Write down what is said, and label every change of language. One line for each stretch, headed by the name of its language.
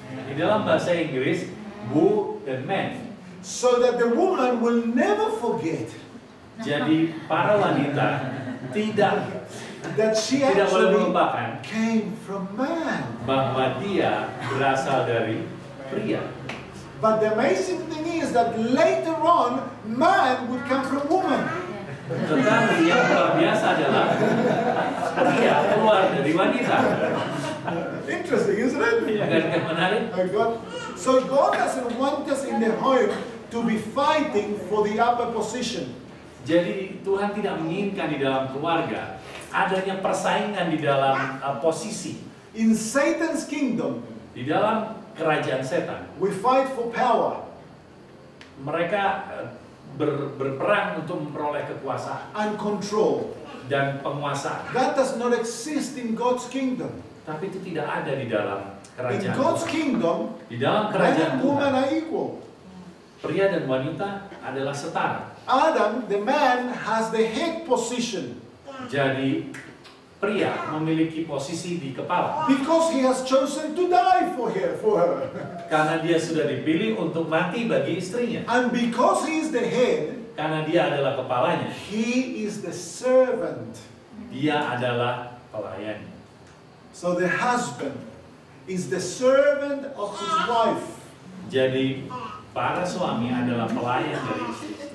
Indonesian: Di dalam bahasa Inggris, woo dan man.
English: So that the woman will never forget.
Indonesian: Jadi para wanita tidak
English: that she
Indonesian: tidak boleh melupakan
English: came from man.
Indonesian: Bahwa dia berasal dari pria.
English: But the amazing thing is that later on, man would come from woman.
Indonesian: Tetapi yang luar biasa adalah pria keluar dari wanita.
English: Interesting, isn't it?
Indonesian: Agak-agak menarik.
English: So God doesn't want us in the home to be fighting for the upper position.
Indonesian: Jadi Tuhan tidak menginginkan di dalam keluarga adanya persaingan di dalam posisi.
English: In Satan's kingdom,
Indonesian: di dalam kerajaan setan,
English: we fight for power.
Indonesian: Mereka berperang untuk memperoleh kekuasaan
English: and control
Indonesian: dan penguasaan.
English: That does not exist in God's kingdom.
Indonesian: Tapi itu tidak ada di dalam kerajaan.
English: In God's kingdom,
Indonesian: di dalam kerajaan
English: Tuhan, are equal.
Indonesian: Pria dan wanita adalah setara.
English: Adam, the man, has the head position.
Indonesian: Jadi pria memiliki posisi di kepala.
English: Because he has chosen to die for her.
Indonesian: Karena dia sudah dipilih untuk mati bagi istrinya.
English: And because he is the head,
Indonesian: karena dia adalah kepalanya.
English: He is the servant.
Indonesian: Dia adalah pelayan.
English: So the husband is the servant of his wife.
Indonesian: Jadi para suami adalah pelayan dari istri.